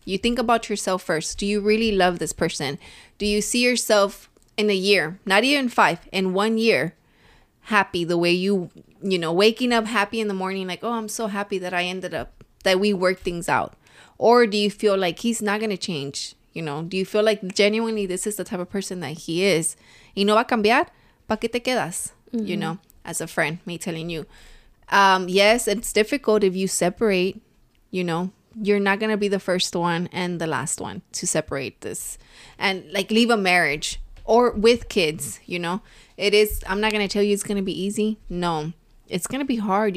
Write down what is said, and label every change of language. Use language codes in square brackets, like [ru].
[en] You think about yourself first. Do you really love this person? Do you see yourself in a year, not even five, in 1 year, happy the way you know, waking up happy in the morning, like, oh, I'm so happy that I ended up, that we worked things out. Or do you feel like he's not going to change? You know, do you feel like genuinely this is the type of person that he is? [es] Y no va a cambiar, ¿pa qué te quedas? [en] Mm-hmm. You know, as a friend, me telling you. Yes, it's difficult if you separate, you know. You're not going to be the first one and the last one to separate this. And, like, leave a marriage or with kids, you know. It is, I'm not going to tell you it's going to be easy. No, it's going to be hard.